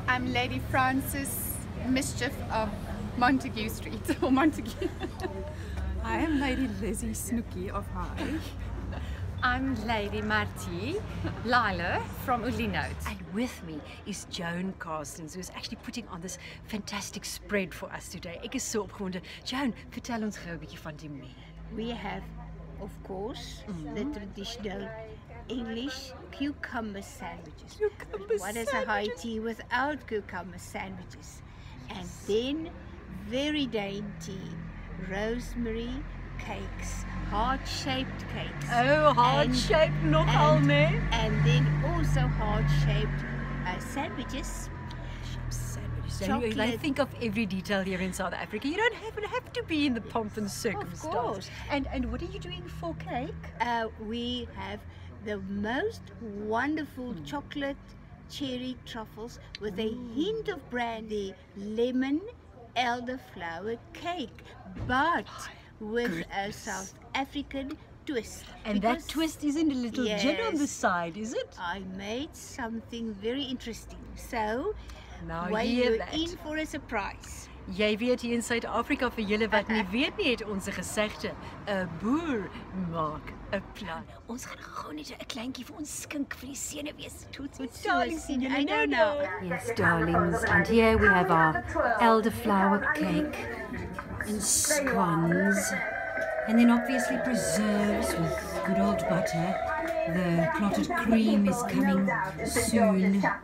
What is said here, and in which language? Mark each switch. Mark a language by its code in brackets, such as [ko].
[en] I'm Lady Frances, Mischief of Montague Street, or Montague. I am Lady Lizzie Snooky of High. I'm Lady Marty Lila from Ulinote. And with me is Joan Carstens, who is actually putting on this fantastic spread for us today. [af] Ek is so opgewonde. Joan, vertel ons gou 'n bietjie van die menu. [en] We have, of course, the traditional English cucumber sandwiches. Cucumber sandwiches. What is a high tea without cucumber sandwiches? And then, very dainty rosemary cakes, heart-shaped cakes. Oh, heart-shaped, not all men. And then also heart-shaped sandwiches. Chocolate. I think of every detail here in South Africa. You don't even have to be in the pomp and circumstance. Of course. And what are you doing for cake? We have the most wonderful chocolate cherry truffles with a hint of brandy, lemon, elderflower cake, but with a South African twist. And that twist isn't a little gin on the side, is it? I made something very interesting. So, now while hear you're that. In for a surprise. [af] Jy weet hier in Suid-Afrika vir julle wat nie weet nie het ons 'n gesegde, 'n boer maak 'n plan. Ons gaan gou net 'n kleintjie vir ons skink vir die senuwees. [en] Darlings, I don't know. Yes, darlings, and here we have our elderflower cake in scones, and then obviously preserves with good old butter. The clotted cream is coming soon.